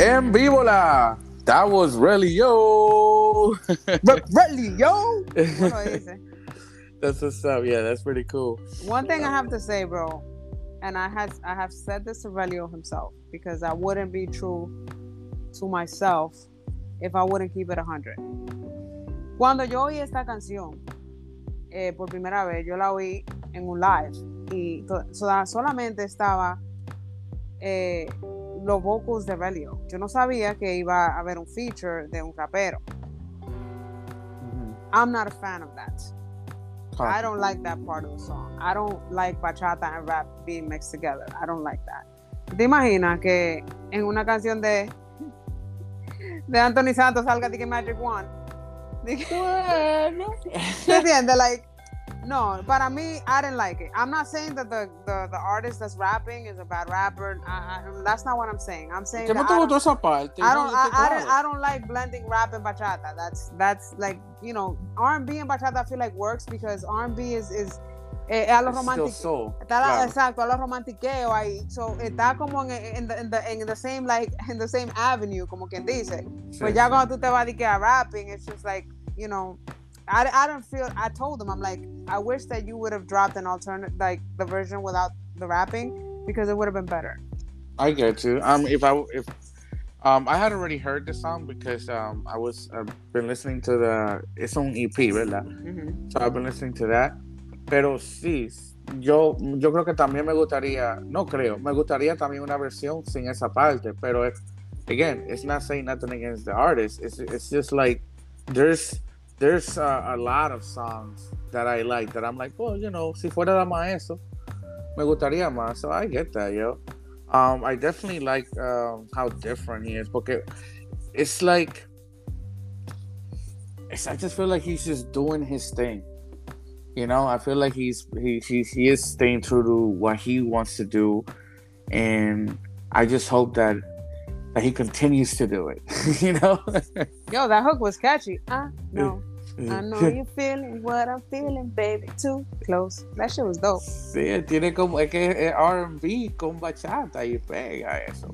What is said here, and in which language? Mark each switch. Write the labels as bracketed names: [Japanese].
[English] En vivola. That was really yo. Really yo. That's what's up. Yeah, that's pretty cool. One thing I have to say, bro, and I have said this to Relio himself, because I wouldn't be true to myself if I wouldn't keep it 100. [Spanish] Cuando yo oí esta canción por primera vez, yo la oí en un live y solamente estaba los vocals de Relio. Yo no sabía que iba a haber un feature de un rapero. [English] I'm not a fan of that. I don't like that part of the song. I don't like bachata and rap being mixed together. I don't like that. [Spanish] ¿Te imaginas que en una canción de Anthony Santos salga de que Magic One? Dije, bueno. ¿Te entiendes? Like, no, para mí, [English] I didn't like it. I'm not saying that the artist that's rapping is a bad rapper. That's not what I'm saying. I'm saying [Spanish] ¿qué [English] that [Spanish] me tengo esa parte? [English] I don't like blending rap and bachata. That's like, you know, R&B and bachata I feel like works because R&B is [Spanish] a lo romántico. Claro. Exacto, a lo romantiqueo ahí. So está como [English] in the same avenue, [Spanish] como quien dice. Sí, pues ya sí. Cuando tú te vas a [English] rapping, it's just like, you know, I told them, I'm like, I wish that you would have dropped an alternate, like the version without the rapping, because it would have been better. I get you. I had already heard the song because I've been listening to the, it's on EP, [Spanish] ¿verdad? [English] Mm-hmm. So I've been listening to that. [Spanish] Pero sí, yo creo que también me gustaría, no creo, me gustaría también una versión sin esa parte. [English] Pero if, again, it's not saying nothing against the artist. It's just like, there's a lot of songs that I like that I'm like, well, you know, [Spanish] si fuera la maestro, me gustaría más. [English] So I get that, yo. I definitely like how different he is. [Spanish] Porque [English] it's like, I just feel like he's just doing his thing. You know, I feel like he is staying true to what he wants to do. And I just hope that he continues to do it, you know? Yo, that hook was catchy. I know you're feeling what I'm feeling, baby. Too close. That shit was dope. [Spanish] Sí, tiene como, es que es R&B con bachata y pega eso.